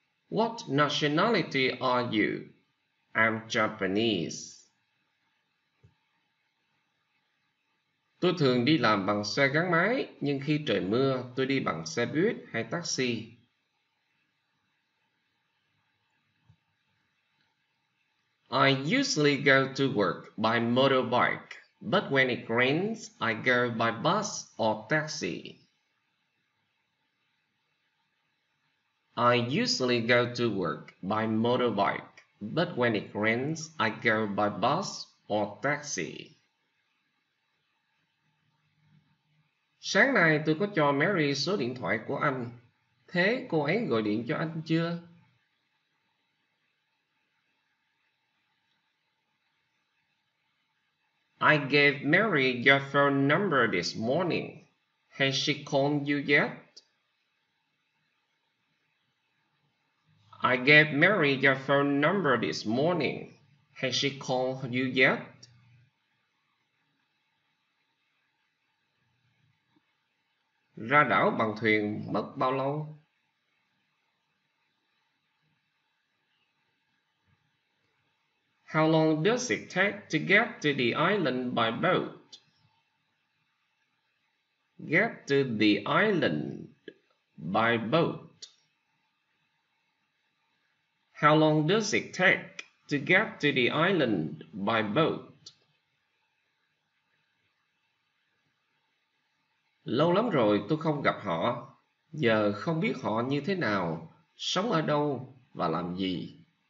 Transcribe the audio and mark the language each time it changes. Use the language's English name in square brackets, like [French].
[English] What nationality are you? I'm Japanese. [Vietnamese] Tôi thường đi làm bằng xe gắn máy, nhưng khi trời mưa, tôi đi bằng xe buýt hay taxi. [English] I usually go to work by motorbike, but when it rains, I go by bus or taxi. I usually go to work by motorbike, but when it rains, I go by bus or taxi. [Vietnamese] Sáng nay tôi có cho Mary số điện thoại của anh. Thế cô ấy gọi điện cho anh chưa? [English] I gave Mary your phone number this morning. Has she called you yet? I gave Mary your phone number this morning. Has she called you yet? [Vietnamese] Ra đảo bằng thuyền mất bao lâu? [English] How long does it take to get to the island by boat? Get to the island by boat. How long does it take to get to the island by boat? [Vietnamese] Lâu lắm rồi tôi không gặp họ. Giờ không biết họ như thế nào, sống ở đâu và làm gì.